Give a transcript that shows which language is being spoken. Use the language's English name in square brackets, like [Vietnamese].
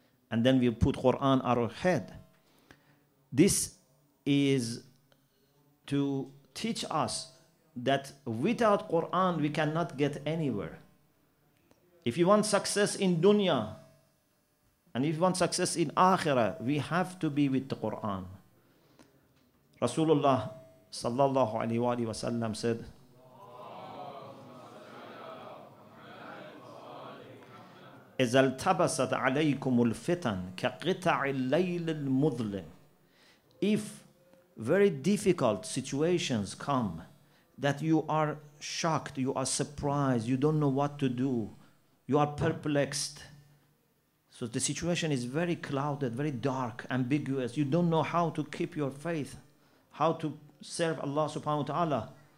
[English] And then we put Quran on our head. This is to teach us that without Quran we cannot get anywhere. If you want success in dunya and if you want success in akhirah, we have to be with the Quran. [Arabic] Rasulullah sallallahu alaihi wasallam said, إذا التبست عليكم الفتن كقطع الليل المظلم. [English] If very difficult situations come, that you are shocked, you are surprised, you don't know what to do, you are perplexed. So the situation is very clouded, very dark, ambiguous. You don't know how to keep your faith, how to serve Allah subhanahu wa ta'ala.